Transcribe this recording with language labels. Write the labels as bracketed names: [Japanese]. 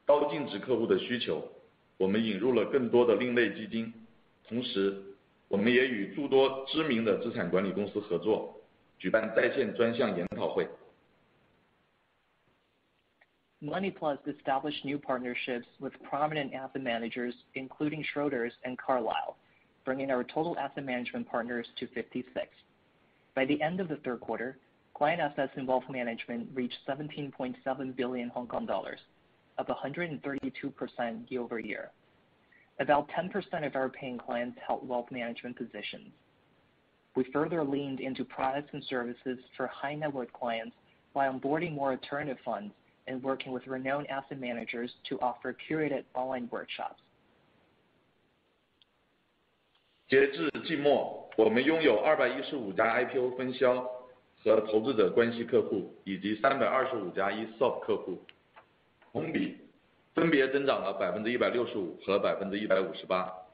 [Chinese] 为了进一步满足高净值客户的需求, 我们引入了更多的另类基金, 同时我们也与诸多知名的资产管理公司合作, 举办在线专项研讨会。 [English] MoneyPlus established new partnerships with prominent asset managers, including Schroders and Carlyle, bringing our total asset management partners to 56. By the end of the third quarter, client assets in wealth management reached 17.7 billion Hong Kong dollars, up 132% year over year. About 10% of our paying clients held wealth management positions. We further leaned into products and services for high net worth clients by onboarding more alternative funds and working with renowned asset managers to offer curated online workshops. [Chinese] 截至季末, 我们拥有215家 IPO 分销和投资者关系客户, 以及325家 ESOP 客户, 同比分别增长了 165%和 158%。